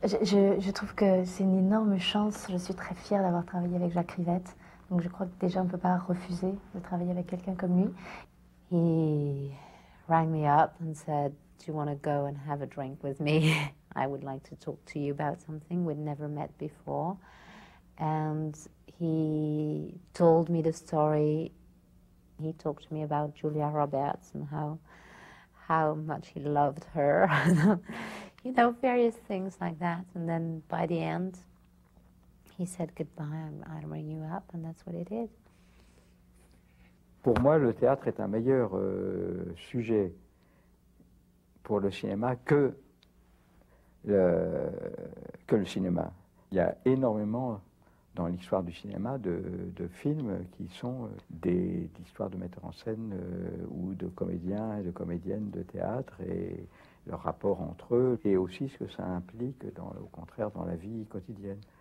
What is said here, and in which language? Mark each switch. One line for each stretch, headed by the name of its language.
French: Je trouve que c'est une énorme chance. Je suis très fière d'avoir travaillé avec Jacques Rivette. Donc je crois que déjà on ne peut pas refuser de travailler avec quelqu'un comme lui.
English: He rang me up and said, do you want to go and have a drink with me? I would like to talk to you about something we'd never met before. And he told me the story. He talked to me about Julia Roberts and how much he loved her. You know, various things like that. And then by the end, he said goodbye, I'd ring you up, and that's what he did.
French: Pour moi, le théâtre est un meilleur sujet pour le cinéma que le cinéma. Il y a énormément dans l'histoire du cinéma de films qui sont des histoires de metteurs en scène ou de comédiens et de comédiennes de théâtre et leur rapport entre eux et aussi ce que ça implique dans, au contraire dans la vie quotidienne.